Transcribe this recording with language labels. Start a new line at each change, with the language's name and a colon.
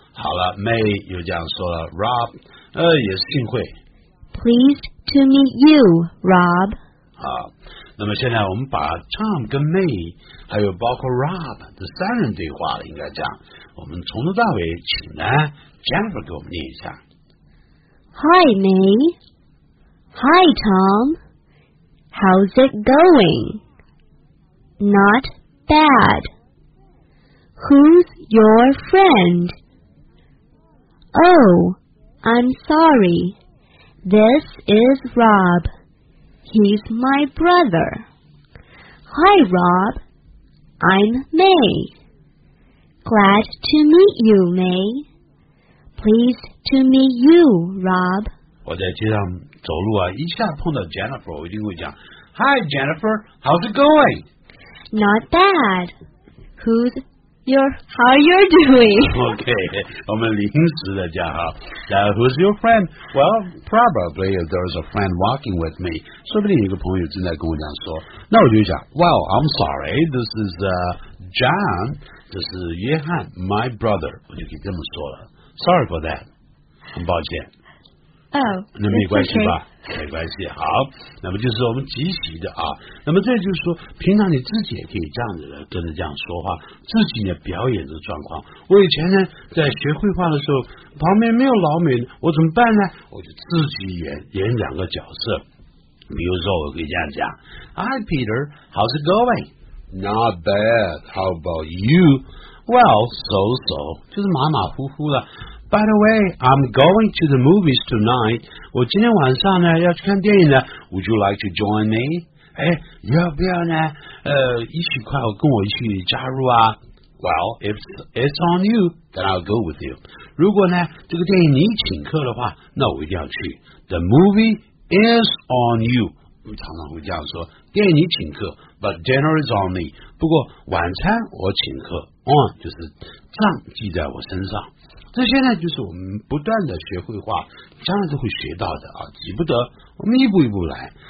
Chinese: 好了， May 又这样说了 Rob、也是幸会。
English: Pleased to meet you, Rob.
Chinese: 好，那么现在我们把 Tom 跟 May 还有包括 Rob 的三人对话了，应该这样。我们从头到尾，请呢 Jennifer 给我们念一下。
English: Hi May, Hi Tom, How's it going? Not bad. Who's your friend? Oh, I'm sorry. This is Rob. He's my brother. Hi, Rob. I'm May. Glad to meet you, May. Pleased to meet you, Rob.
Chinese: 我在街上走路啊，一下碰到 Jennifer， 我一定会讲
English: Hi, Jennifer. How's it going? Not bad. Who's your... How are you doing?
Chinese: Okay, 我们临时的讲哈。
English: Who's your friend? Well, probably there's a friend walking with me.
Chinese: 说不定有个朋友正在跟我讲说，那我就讲
English: Well, I'm sorry, this is John,
Chinese: 这是约翰
English: my brother.
Chinese: 我就可以这么说了。
English: Sorry for that.
Chinese: 很抱歉。
English: Oh,
Chinese: 那没关系吧？没关系。好，那么就是我们集齐的啊。那么这就是说，平常你自己也可以这样子跟着这样说话，自己的表演的状况。我以前呢，在学绘画的时候，旁边没有老美，我怎么办呢？我就自己演两个角色。比如说，我可以这样讲 ：
English: Hi Peter, how's it going? Not bad. How about you? Well, so so，
Chinese: 就是马马虎虎了。
English: By the way, I'm going to the movies tonight.
Chinese: 我今天晚上呢要去看电影呢。
English: Would you like to join me?
Chinese: 哎，要不要呢？一起快我跟我一起加入啊。
English: Well, if it's on you, then I'll go with you.
Chinese: 如果呢这个电影你请客的话，那我一定要去。
English: The movie is on you.
Chinese: 我常常会这样说，电影你请客 ，
English: but dinner is on me.
Chinese: 不过晚餐我请客 ，on 就是账记在我身上。这些呢就是我们不断的学绘画将来都会学到的啊，急不得，我们一步一步来。